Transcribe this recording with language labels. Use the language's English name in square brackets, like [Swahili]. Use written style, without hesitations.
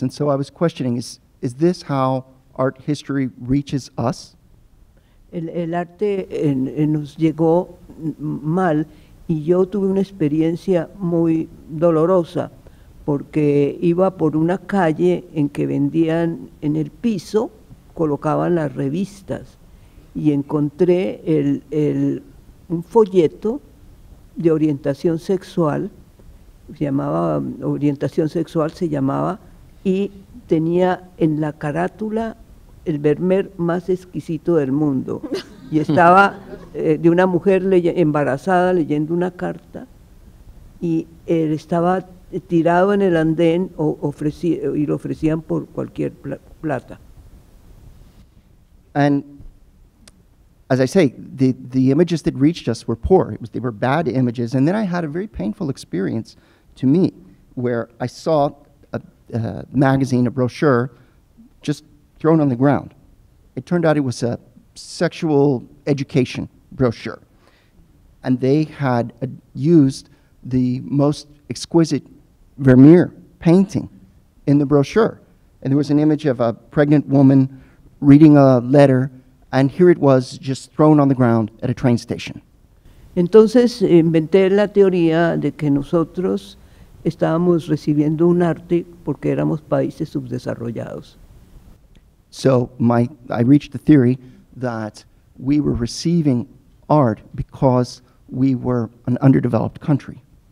[English] And so I was questioning, is this how art history reaches us? [Spanish] El arte nos llegó mal y yo tuve una experiencia muy dolorosa porque iba por una calle en que vendían en el piso, colocaban las revistas y encontré un folleto de orientación sexual, se llamaba, y tenía en la carátula el vermeer más exquisito del mundo. Y estaba de una mujer embarazada leyendo una carta y él estaba tirado en el andén y lo ofrecían por cualquier plata. [English] And as I say, the images that reached us were poor. They were bad images. And then I had a very painful experience to me where I saw a magazine, a brochure, just thrown on the ground. It turned out it was a sexual education brochure. And they had used the most exquisite Vermeer painting in the brochure. And there was an image of a pregnant woman reading a letter, and here it was just thrown on the ground at a train station. [Spanish] Entonces inventé la teoría de que nosotros estábamos recibiendo un arte porque éramos países subdesarrollados. [English] So I reached the theory that we were receiving art because we were an underdeveloped country.